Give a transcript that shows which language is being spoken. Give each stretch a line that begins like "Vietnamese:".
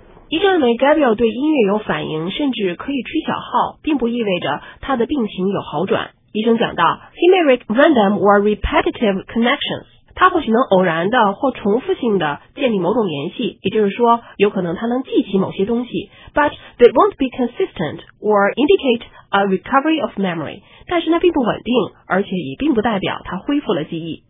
Chinese: 医生认为 Gabriel 对音乐有反应，甚至可以吹小号，并不意味着他的病情有好转。医生讲到
English: ，He may make random or repetitive connections.
Chinese: 他或许能偶然的或重复性的建立某种联系，也就是说，有可能他能记起某些东西。
English: But they won't be consistent or indicate a recovery of memory.
Chinese: 但是那并不稳定而且也并不代表他恢复了记忆。